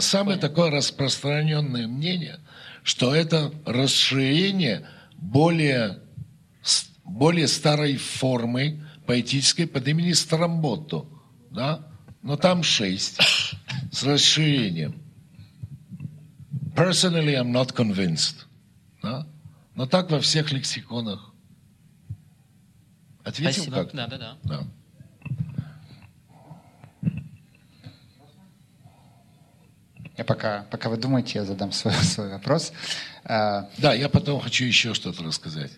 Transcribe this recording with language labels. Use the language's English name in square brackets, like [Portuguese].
[Russian] Самое такое распространенное мнение, что это расширение более старой формы поэтической под именем Стромботто. Да? Но там шесть с расширением. [English] Personally, I'm not convinced. [Russian] Да? Но так во всех лексиконах. Ответил спасибо. Как-то? Да. Я пока вы думаете, я задам свой вопрос. Да, я потом хочу еще что-то рассказать.